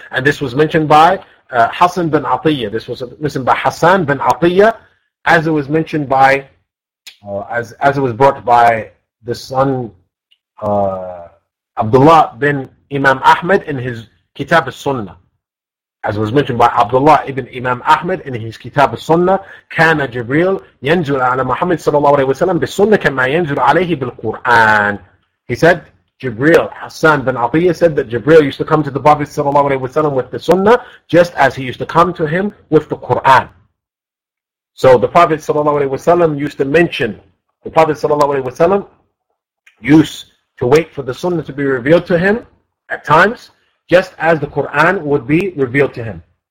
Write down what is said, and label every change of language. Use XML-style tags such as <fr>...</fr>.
<en>And this was mentioned by Hassan bin Atiyah. This was mentioned by Hassan bin Atiyah, as it was mentioned by, as it was brought by the son Abdullah bin Imam Ahmed in his Kitab al-Sunnah. As was mentioned by Abdullah ibn Imam Ahmed in his Kitab al-Sunnah,</en> <ar>كَانَ جِبْرِيلُ يَنْزُلُ عَلَى مُحَمَّدٍ صَلَى اللَّهُ عَلَيْهِ وَسَلَّمَ بِالسُنَّةِ كَمَّا يَنْزُلُ عَلَيْهِ بِالْقُرْآنِ.</ar> <en>He said, Jibreel, Hassan bin Atiyah said that Jibreel used to come to the Prophet sallallahu alayhi wa sallam with the Sunnah, just as he used to come to him with the Quran. So the Prophet sallallahu alayhi wa sallam used to mention, the Prophet sallallahu alayhi wa sallam used to wait for the Sunnah to be revealed to him at times, just as the Quran would be revealed to him.</en>